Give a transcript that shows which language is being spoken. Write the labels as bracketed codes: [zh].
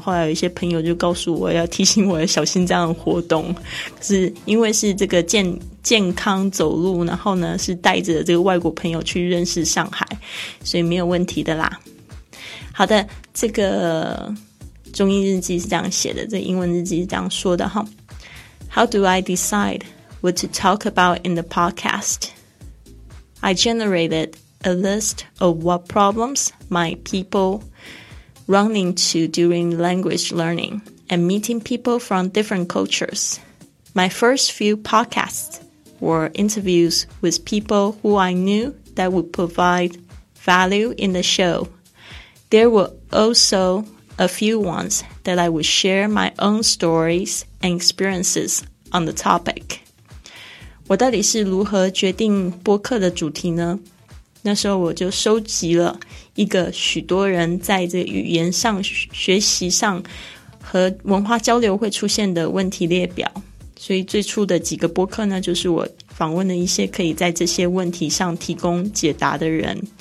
[zh] 后来有一些朋友就告诉我要提醒我要小心这样的活动，可是因为是这个健康走路，然后呢是带着这个外国朋友去认识上海，所以没有问题的啦。好的，这个中英日记是这样写的，这个、英文日记是这样说的哈。 [en] How do I decide what to talk about in the podcast? I generated a list of what problems my people run into during language learning and meeting people from different cultures. My first few podcasts were interviews with people who I knew that would provide value in the show. There were also a few ones that I would share my own stories and experiences on the topic. [zh] 我到底是如何决定播客的主题呢？那时候我就收集了一个许多人在这语言上、学习上和文化交流会出现的问题列表。所以最初的几个播客呢，就是我访问了一些可以在这些问题上提供解答的人。